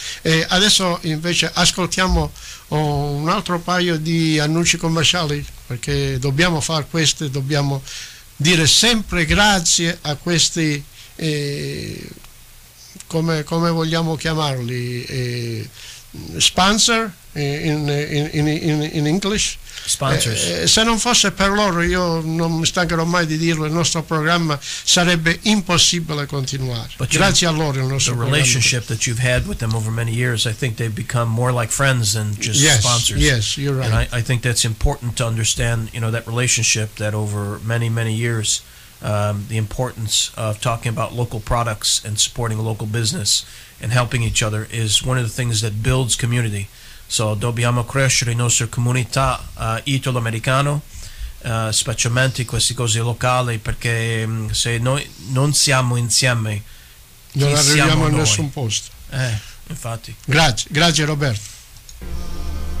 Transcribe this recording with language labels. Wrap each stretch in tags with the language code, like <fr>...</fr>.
<it>E adesso invece ascoltiamo un altro paio di annunci commerciali, perché dobbiamo fare queste, dobbiamo dire sempre grazie a questi, come vogliamo chiamarli, sponsor</it> <en>in English. Sponsors.</en> <it>Se non fosse per loro, io non mi stancherò mai di dirlo, il nostro programma sarebbe impossibile continuare. But grazie a loro il nostro programma.</it> <en>The relationship that you've had with them over many years, I think they've become more like friends than just sponsors. Yes, you're right. And I think that's important to understand, you know, that relationship that over many, many years, the importance of talking about local products and supporting local business and helping each other is one of the things that builds community.</en> <it>So dobbiamo crescere la nostra comunità italo-americana, specialmente queste cose locali, perché se noi non siamo insieme, non arriviamo noi a nessun posto. Infatti. Grazie Roberto.</it>